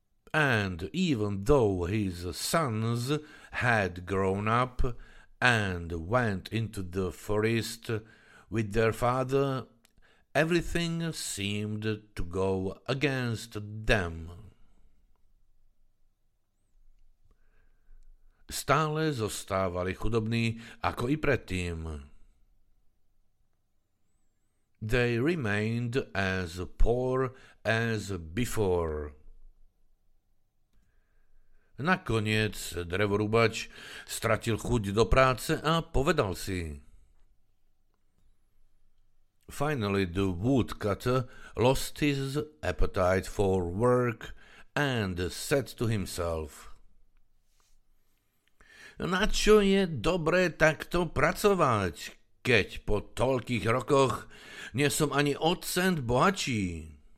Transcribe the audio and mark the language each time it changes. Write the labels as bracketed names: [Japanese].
[English] And even though his sons had grown up and went into the forest with their father, everything seemed to go against them. [Slovak] Stále zostávali chudobní ako i predtým. [English] They remained as poor as before. [Slovak] Nakoniec drevorúbač stratil chuť do práce a povedal si: [English] Finally, the woodcutter lost his appetite for work and said to himself, [Slovak] Na čo je dobré takto pracovať, keď po toľkých rokoch nie som ani o cent bohatší?